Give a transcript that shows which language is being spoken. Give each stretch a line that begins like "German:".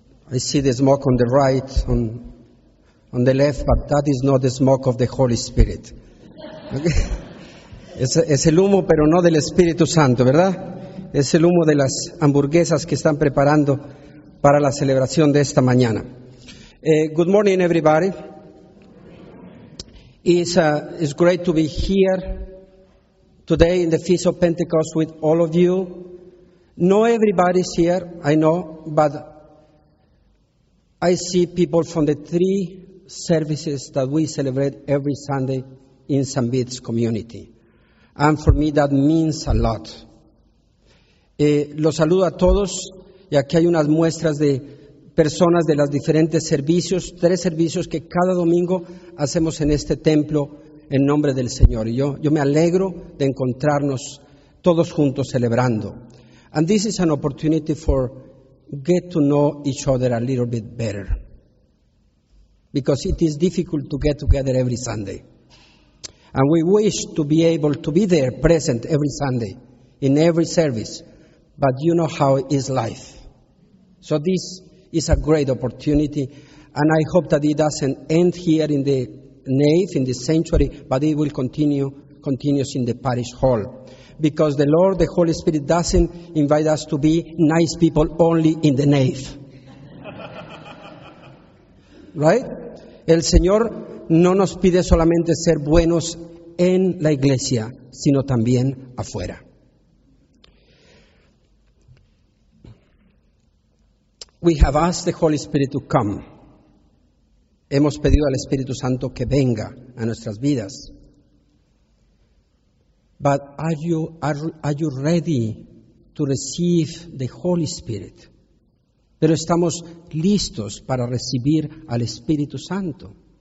English: I see the smoke on the right, on the left, but that is not the smoke of the Holy Spirit.
Spanish: Es el humo, pero no del Espíritu Santo, ¿verdad? Es el humo de las hamburguesas que están preparando para la celebración de esta mañana.
English: Good morning, everybody. It's great to be here today in the Feast of Pentecost with all of you. Not everybody is here, I know, but I see people from the three services that we celebrate every Sunday in St. Vith's community. And for me, that means a lot.
Spanish: Los saludo a todos, y aquí hay unas muestras de personas de los diferentes servicios, tres servicios que cada domingo hacemos en este templo en nombre del Señor. Y yo me alegro de encontrarnos todos juntos celebrando.
English: And this is an opportunity for get to know each other a little bit better. Because it is difficult to get together every Sunday. And we wish to be able to be there present every Sunday in every service. But you know how it is life. So this is a great opportunity. And I hope that it doesn't end here in the nave, in the sanctuary, but it will continue in the parish hall. Because the Lord, the Holy Spirit, doesn't invite us to be nice people only in the nave. Right?
Spanish: El Señor no nos pide solamente ser buenos en la iglesia, sino también afuera.
English: We have asked the Holy Spirit to come.
Spanish: Hemos pedido al Espíritu Santo que venga a nuestras vidas.
English: But are you ready to receive the Holy Spirit?
Spanish: Pero estamos listos para recibir al Espíritu Santo.